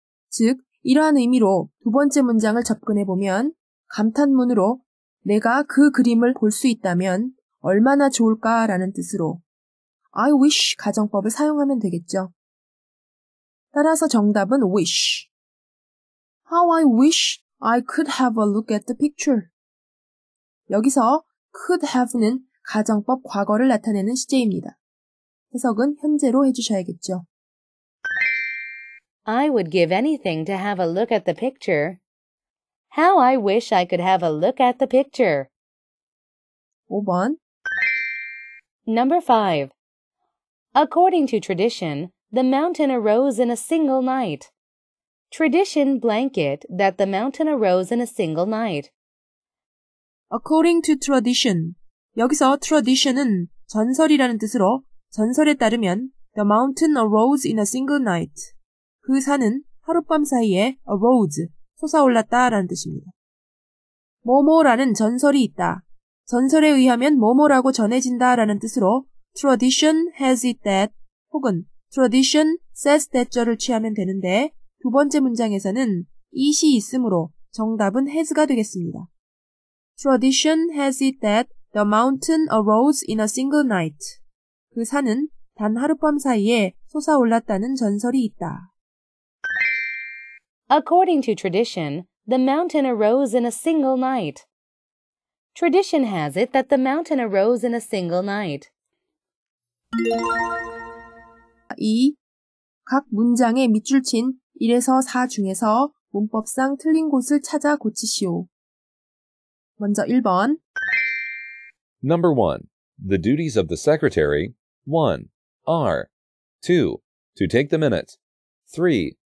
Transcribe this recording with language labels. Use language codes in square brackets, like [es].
[ko] 즉, 이러한 의미로 두 번째 문장을 접근해 보면 감탄문으로 내가 그 그림을 볼 수 있다면 얼마나 좋을까 라는 뜻으로 I wish 가정법을 사용하면 되겠죠. 따라서 정답은 wish. [en] How I wish I could have a look at the picture. [ko] 여기서 could have는 가정법 과거를 나타내는 시제입니다. 해석은 현재로 해주셔야겠죠. [en] I would give anything to have a look at the picture. How I wish I could have a look at the picture. [ko] 5번 [en] Number 5. According to tradition, the mountain arose in a single night. Tradition blank it that the mountain arose in a single night. According to tradition, [ko] 여기서 tradition은 전설이라는 뜻으로 전설에 따르면 [en] the mountain arose in a single night. [ko] 그 산은 하룻밤 사이에 arose, 솟아올랐다 라는 뜻입니다. 뭐뭐라는 전설이 있다. 전설에 의하면 뭐뭐라고 전해진다 라는 뜻으로 [en] tradition has it that [ko] 혹은 [en] tradition says that [ko] 절을 취하면 되는데 두 번째 문장에서는 it이 있으므로 정답은 has가 되겠습니다. [en] Tradition has it that the mountain arose in a single night. [ko] 그 산은 단 하룻밤 사이에 솟아올랐다는 전설이 있다. [en] According to tradition, the mountain arose in a single night. Tradition has it that the mountain arose in a single night. 2. [ko] 각 문장의 밑줄 친 1에서 4 중에서 문법상 틀린 곳을 찾아 고치시오. 먼저 1번 [en] Number 1. The duties of the secretary 1. are 2. to take the minutes 3.